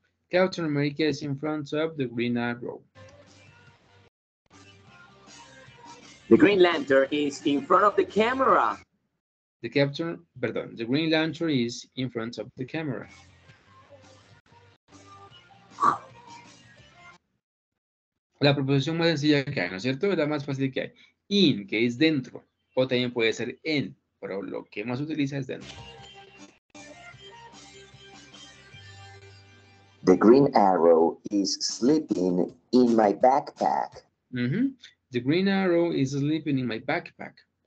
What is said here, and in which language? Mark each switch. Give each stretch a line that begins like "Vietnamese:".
English: Captain America is in front of the Green Arrow. The Green Lantern is in front of the camera. The Green Lantern is in front of the camera.
Spanish: La preposición más sencilla que hay, ¿no es cierto? La más fácil que hay. In, que es dentro. O también puede ser en, pero lo que más utiliza es dentro.
English: The green arrow is sleeping in my backpack. The green arrow is sleeping in my backpack.